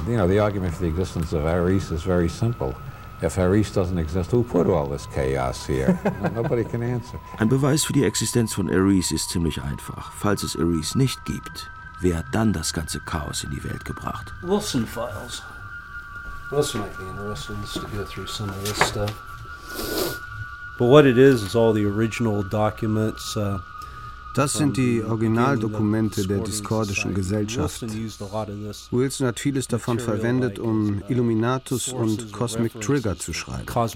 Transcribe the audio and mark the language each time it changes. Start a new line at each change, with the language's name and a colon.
English: you know, the argument for the existence of Eris is very simple. If Eris doesn't exist, who put all this chaos here? Nobody can answer.
German: Ein Beweis für die Existenz von Eris ist ziemlich einfach. Falls es Eris nicht gibt, wer hat dann das ganze Chaos in die Welt gebracht?
English: Wilson Files. Wilson might be interested to go through some of this stuff. But what it is all the original documents.
German: Das sind die Originaldokumente der diskordischen Gesellschaft. Wilson hat vieles davon verwendet, um Illuminatus und Cosmic Trigger zu schreiben.